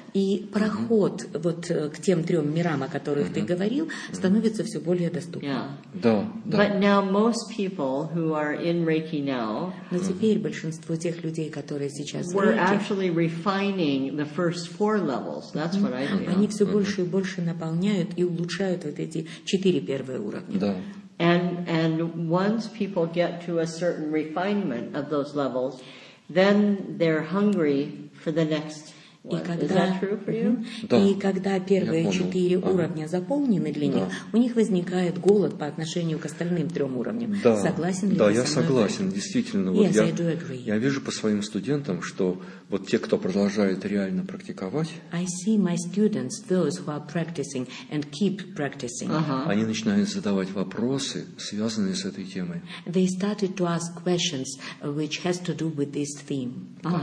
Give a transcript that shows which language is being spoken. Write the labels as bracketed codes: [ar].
[ru] И проход вот к тем трем мирам, о которых ты говорил, становится все более доступным. [en] Yeah. [ru] Да, да. [en] But now most people who are in Reiki now [ru] но теперь большинство тех людей, которые сейчас в Reiki, [en] were actually refining the first four levels. That's what I do. [ru] Больше и больше наполняют и улучшают вот эти четыре первые уровня. Да. [en] And once people get to a certain refinement of those levels, then they're hungry for the next [ru] И когда первые четыре уровня заполнены для них, у них возникает голод по отношению к остальным трем уровням. Да. Согласен ли ты? Да, я согласен, действительно. Вот yes, я вижу по своим студентам, что вот те, кто продолжает реально практиковать, [en] I see my students, those who are practicing and keep practicing, [ru] они начинают задавать вопросы, связанные с этой темой. [en] They started to ask questions which has to do with this theme.